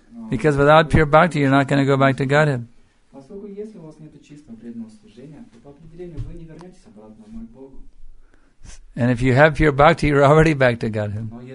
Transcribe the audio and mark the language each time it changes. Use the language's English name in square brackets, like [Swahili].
[English] Because without pure bhakti, you're not going to go back to Godhead. [Russian] Поскольку если у вас нет чистого преданного служения, то по определению вы не вернетесь обратно к моему Богу. [English] And if you have pure bhakti, you're already back to Godhead.